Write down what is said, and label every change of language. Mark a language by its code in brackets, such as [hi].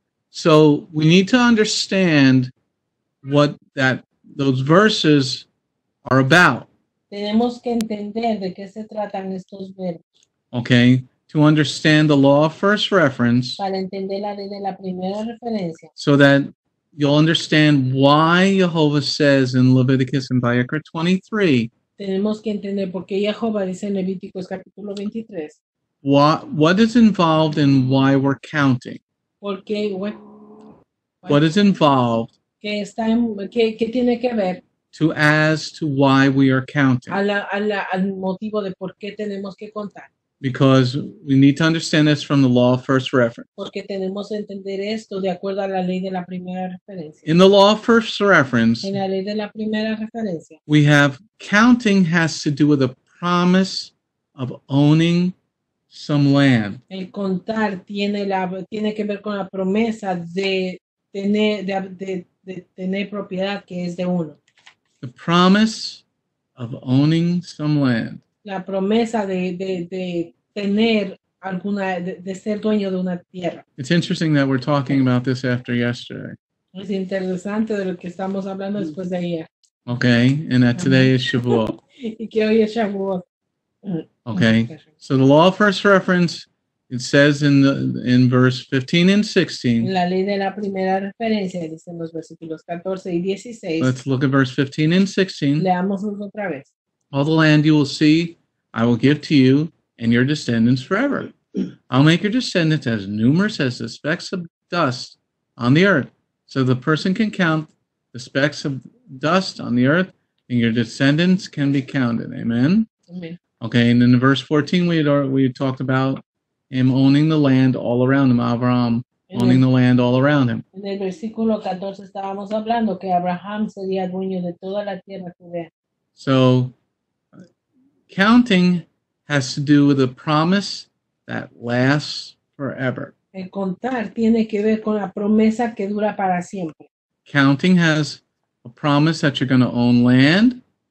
[en] So, we need to understand what that those verses are about. [es] Tenemos que entender de qué se tratan estos verbos. [en] Okay, to understand the law of first reference. [es] Para entender la ley de la primera referencia. [en] So that you'll understand why Jehovah says in Leviticus and Vayikra 23. [es] Tenemos que entender por qué Jehovah dice en Levíticos capítulo 23. [en] What is involved in why we're counting? [es] ¿Por qué? [en] What is involved? [es] ¿Qué está en, qué tiene que ver? [en] To as to why we are counting. [es] Al motivo de por qué tenemos que contar. [en] Because we need to understand this from the law of first reference. [es] Porque tenemos que entender esto de acuerdo a la ley de la primera referencia. [en] In the law of first reference, [es] en la ley de la primera referencia, [en] we have counting has to do with a promise of owning some land. [es] El contar tiene que ver con la promesa de tener propiedad que es de uno. [en] The promise of owning some land. [es] La promesa de tener alguna de ser dueño de una tierra. [en] It's interesting that we're talking about this after yesterday. [es] Es interesante de lo que estamos hablando después de ayer. [en] Okay, and that today is Shavuot. [es] Y que hoy es Shavuot. [en] Okay, so the law of first reference, it says in verse 15 and 16. [es] La ley de la primera referencia dice en los versículos 14 y 16. [en] Let's look at verse 15 and 16. [es] Leámoslos otra vez. [en] All the land you will see, I will give to you and your descendants forever. I'll make your descendants as numerous as the specks of dust on the earth. So the person can count the specks of dust on the earth and your descendants can be counted. Amen? Amen. Okay, and in verse 14, we talked about him owning the land all around him, Abraham. Owning the land all around him. [es] En el versículo 14 estábamos hablando que Abraham sería dueño de toda la tierra que vea. [en] So, counting has to do with a promise that lasts forever. [es] El contar tiene que ver con la promesa que dura para siempre. [en] Counting has a promise that you're going to own land.